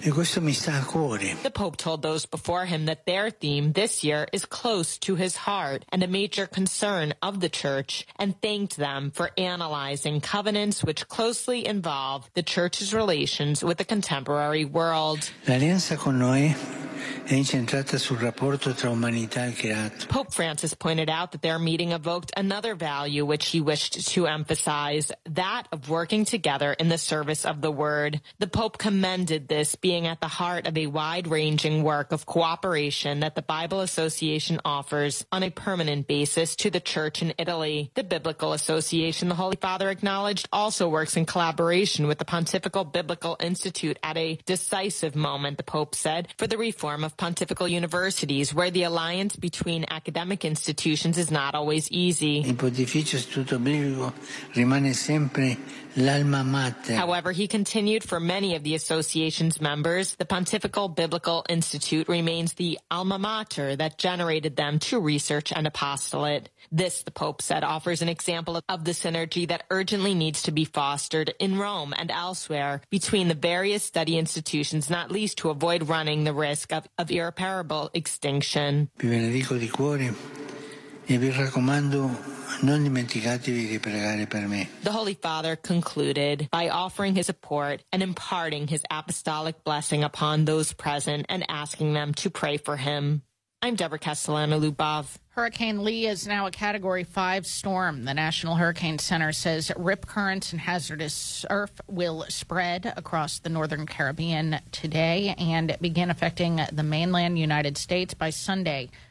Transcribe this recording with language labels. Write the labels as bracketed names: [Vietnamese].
[Italian] E questo mi sta a cuore. [English] The Pope told those before him that their theme this year is close to his heart and a major concern of the church, and thanked them for analyzing covenants which closely involve the church's relations with the contemporary world. [Italian] L'alleanza con noi è incentrata sul rapporto tra umanità e creato. [English] Pope Francis pointed out that their meeting evoked another value which he wished to emphasize, that of working together in the service of the word. The Pope commended this being at the heart of a wide-ranging work of cooperation that the Bible Association offers on a permanent basis to the church in Italy. The Biblical Association, the Holy Father acknowledged, also works in collaboration with the Pontifical Biblical Institute at a decisive moment, the Pope said, for the reform of pontifical universities, where the alliance between academic institutions is not always easy. [Italian] Il Pontificio Istituto Biblico rimane sempre l'alma mater. [English] However, he continued, for many of the association's members, the Pontifical Biblical Institute remains the alma mater that generated them to research and apostolate. This, the Pope said, offers an example of the synergy that urgently needs to be fostered in Rome and elsewhere between the various study institutions, not least to avoid running the risk of irreparable extinction. [Italian] Vi benedico di cuore e vi raccomando, non dimenticatevi di pregare per me. [English] The Holy Father concluded by offering his support and imparting his apostolic blessing upon those present and asking them to pray for him. I'm Deborah Castellano-Luboff. Hurricane Lee is now a Category 5 storm. The National Hurricane Center says rip currents and hazardous surf will spread across the northern Caribbean today and begin affecting the mainland United States by Sunday.